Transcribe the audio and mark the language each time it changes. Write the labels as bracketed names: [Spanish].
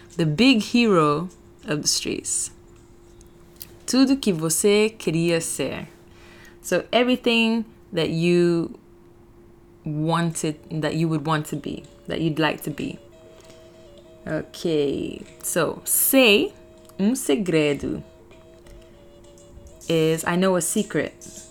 [English] The big hero of the streets. [Portuguese] Tudo que você queria ser. [English] So everything that you wanted, that you would want to be, that you'd like to be. Okay, so say segredo is I know a secret.